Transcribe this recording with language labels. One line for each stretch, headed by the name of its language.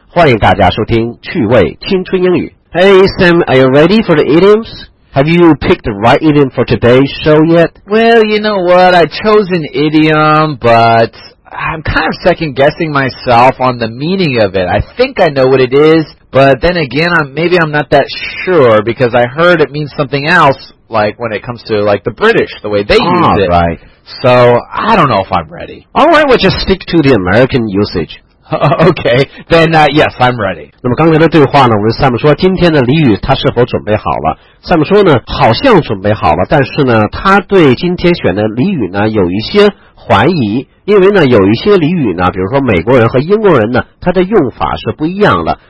Chinese: 欢迎大家收听趣味青春英语。
English: Hey, Sam, are you ready for the idioms? Have you picked the right idiom for today's show yet? Well, you know what? I chose an idiom, but I'm kind of second-guessing myself on the meaning of it. I think I know what it is, but then again, maybe I'm not that sure because I heard it means something else, like when it comes to like the British, the way they use it. Right. So I don't know if I'm ready. All right, we'll just stick to the American usage. Okay, then yes, I'm ready.
Chinese: 那么刚才的对话呢，我们 Sam 说今天的俚语他是否准备好了 ？Sam 说呢，好像准备好了，但是呢，他对今天选的俚语呢有一些怀疑，因为呢有一些俚语呢，比如说美国人和英国人呢，它的用法是不一样的。